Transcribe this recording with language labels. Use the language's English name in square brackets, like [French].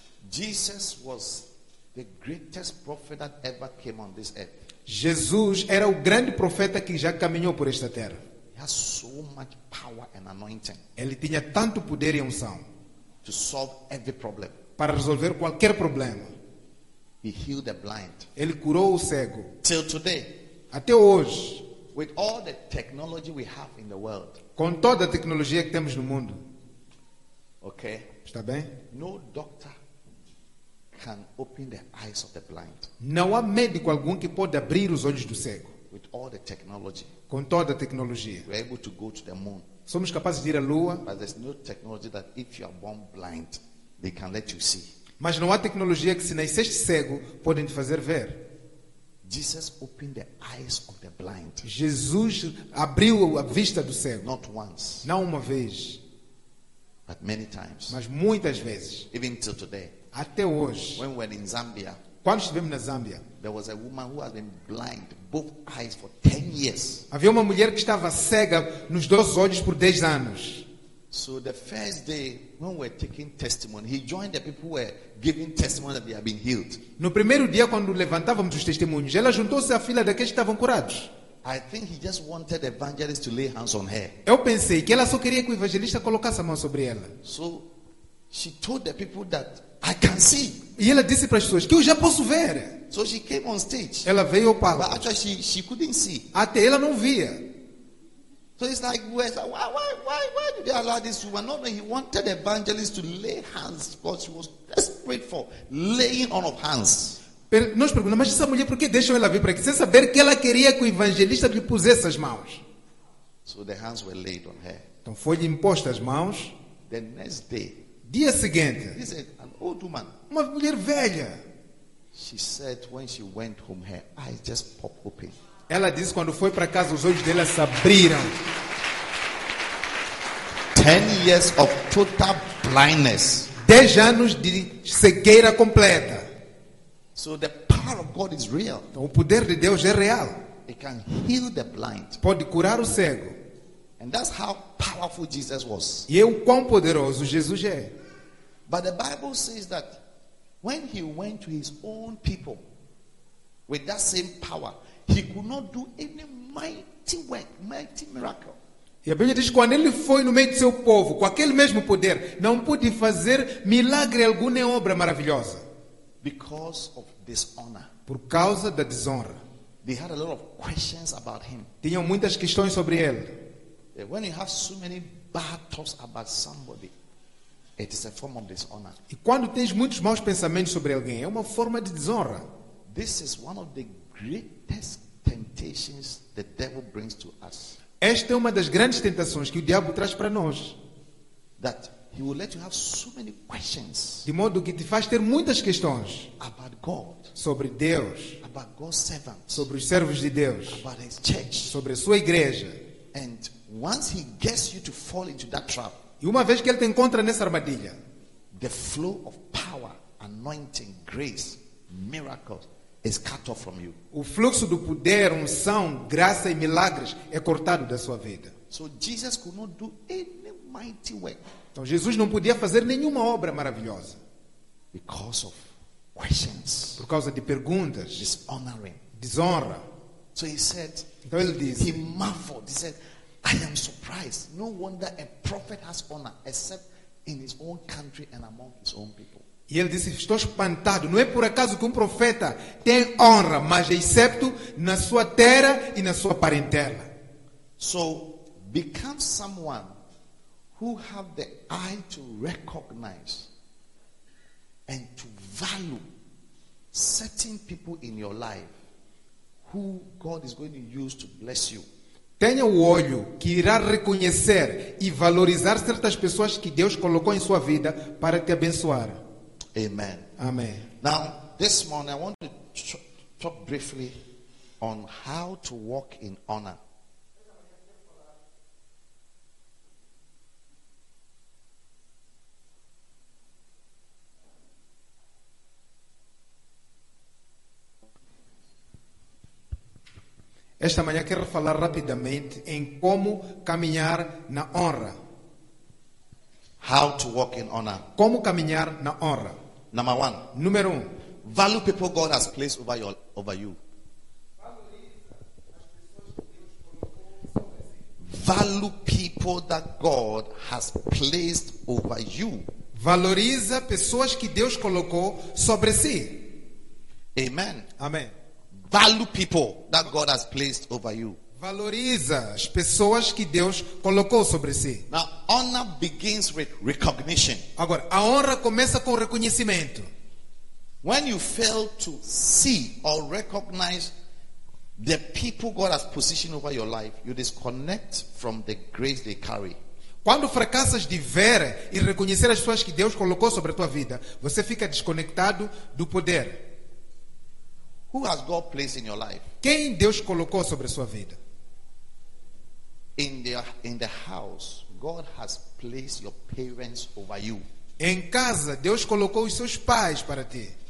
[English] Jesus was the greatest prophet that ever came on this earth. [Portuguese] Jesus era o grande profeta que já caminhou por esta terra. [English] He has so much power and anointing. [Portuguese] Ele tinha tanto poder e unção. [English] To solve every problem. [Portuguese] Para resolver qualquer problema. [English] He healed the blind. [Portuguese] Ele curou o cego. [English] Till today, [Portuguese] até hoje, [English] with all the technology we have in the world, [Portuguese] com toda a tecnologia que temos no mundo, [English] okay, [Portuguese] está bem? [English] No doctor can open the eyes of the blind. [Portuguese] Não há médico algum que pode abrir os olhos do cego. [English] With all the technology, [Portuguese] com toda a tecnologia, [English] we're able to go to the moon. [Portuguese] Somos capazes de ir à lua. [English] But there's no technology that if you are born blind, they can let you see. [Portuguese] Mas não há tecnologia que se nasceste cego podem te fazer ver. [English] Jesus opened the eyes of the blind. [Portuguese] Jesus abriu a vista do cego. [English] Not once. [Portuguese] Não uma vez. [English] But many times, [Portuguese] mas muitas vezes, [English] even till today, [Portuguese] até hoje, [English] when we're in Zambia, [Portuguese] quando estivemos na Zâmbia, [English] there was a woman who has been blind both eyes for 10 years. [Portuguese] Havia uma mulher que estava cega nos dois olhos por 10 anos. [English] So the first day when we're taking testimony, he joined the people who were giving testimony that they had been healed. [Portuguese] No primeiro dia quando levantávamos os testemunhos, ela juntou-se à fila daqueles que estavam curados. [English] I think he just wanted the evangelist to lay hands on her. [Portuguese] Eu pensei que ela só queria que o evangelista colocasse a mão sobre ela. [English] So she told the people that I can see. [Portuguese] E ela disse para as pessoas que eu já posso ver. [English] So she came on stage. [Portuguese] Ela veio ao palco. [English] But actually she couldn't see. [Portuguese] Até ela não via. [English] So it's like, why did they allow this woman? No, he wanted the evangelist to lay hands, because she was desperate for laying on of hands. [Portuguese] Nós perguntamos, mas essa mulher por que deixou ela vir para aqui? Sem saber que ela queria que o evangelista lhe pusesse as mãos. [English] So the hands were laid on her. [Portuguese] Então foi-lhe imposta as mãos. [English] The next day, [Portuguese] dia seguinte, [English] this is an old woman. [Portuguese] Uma mulher velha. [English] She said when she went home, her eyes just popped open. [Portuguese] Ela disse quando foi para casa os olhos dela se abriram. [English] 10 years of total blindness. [Portuguese] 10 anos de cegueira completa. [English] So the power of God is real. [Portuguese] Então, o poder de Deus é real. [English] It can heal the blind. [Portuguese] Pode curar o cego. [English] And that's how powerful Jesus was. [Portuguese] E é o quão poderoso Jesus é. [English] But the Bible says that when he went to his own people with that same power, he could not do any mighty work, mighty miracle. [Portuguese] E a Bíblia diz que quando ele foi no meio do seu povo, com aquele mesmo poder, não pôde fazer milagre algum nem obra maravilhosa. [English] Because of dishonor. [Portuguese] Por causa da desonra. [English] They had a lot of questions about him. [Portuguese] Tinham muitas questões sobre ele. [English] When you have so many bad thoughts about somebody, it is a form of dishonor. [Portuguese] E quando tens muitos maus pensamentos sobre alguém, é uma forma de desonra. [English] This is one of the greatest temptations the devil brings to us. [Portuguese] Esta é uma das grandes tentações que o diabo traz para nós. [English] That he will let you have so many questions. [Portuguese] De modo que te faz ter muitas questões. [English] About God. [Portuguese] Sobre Deus. [English] About God's servants. [Portuguese] Sobre os servos de Deus. [English] About his church. [Portuguese] Sobre a sua igreja. [English] And once he gets you to fall into that trap. [Portuguese] E uma vez que ele te encontra nessa armadilha, [English] the flow of power, anointing, grace, miracles is cut off from you. [Portuguese] O fluxo do poder, unção, graça e milagres é cortado da sua vida. [English] So Jesus could not do any mighty work. [Portuguese] Então Jesus não podia fazer nenhuma obra maravilhosa. [English] Because of questions. [Portuguese] Por causa de perguntas. [English] Dishonoring. [Portuguese] Desonra. [English] So he said, [Portuguese] então ele disse, [English] he marveled. He said, I am surprised. No wonder a prophet has honor except in his own country and among his own people. [Portuguese] E ele disse, estou espantado. Não é por acaso que profeta tem honra, mas excepto na sua terra e na sua parentela. [English] So become someone who have the eye to recognize and to value certain people in your life who God is going to use to bless you. [Portuguese] Tenha o olho que irá reconhecer e valorizar certas pessoas que Deus colocou em sua vida para te abençoar. [English] Amen. [Portuguese] Amém. [English] Now, this morning I want to talk briefly on how to walk in honor. [Portuguese] Esta manhã quero falar rapidamente em como caminhar na honra. [English] How to walk in honor. [Portuguese] Como caminhar na honra. [English] Number one. [Portuguese] Número um. [English] Value people God has placed over you. Value people that God has placed over you. [Portuguese] Valoriza pessoas que Deus colocou sobre si. [English] Amen. [Portuguese] Amém. [English] Value people that God has placed over you. [Portuguese] Valoriza as pessoas que Deus colocou sobre si. [English] Now, honor begins with recognition. [Portuguese] Agora, a honra começa com reconhecimento. [English] When you fail to see or recognize the people God has positioned over your life, you disconnect from the grace they carry. [Portuguese] Quando fracassas de ver e reconhecer as pessoas que Deus colocou sobre a tua vida, você fica desconectado do poder. [English] Who has God placed in your life? [Portuguese] Quem Deus colocou sobre a sua vida? [English] In the house, God has place your parents over you. [Portuguese] Em casa, Deus colocou os seus pais para ti.